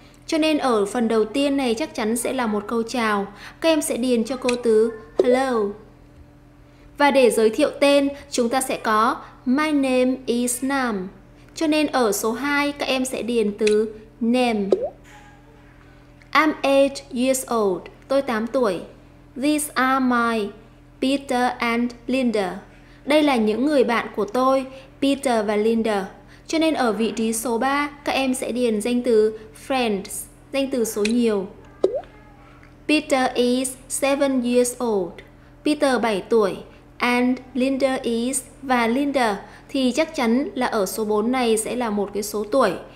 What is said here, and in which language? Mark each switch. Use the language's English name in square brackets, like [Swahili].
[Vietnamese] Cho nên ở phần đầu tiên này chắc chắn sẽ là một câu chào. Các em sẽ điền cho cô từ hello. Và để giới thiệu tên, chúng ta sẽ có [English] My name is Nam. [Vietnamese] Cho nên ở số 2, các em sẽ điền từ name. [English] I'm 8 years old. [Vietnamese] Tôi 8 tuổi. [English] These are my Peter and Linda. [Vietnamese] Đây là những người bạn của tôi, Peter và Linda. Cho nên ở vị trí số 3, các em sẽ điền danh từ friends, danh từ số nhiều. [English] Peter is 7 years old. [Vietnamese] Peter 7 tuổi. [English] And Linda is, [Vietnamese] và Linda thì chắc chắn là ở số 4 này sẽ là một cái số tuổi.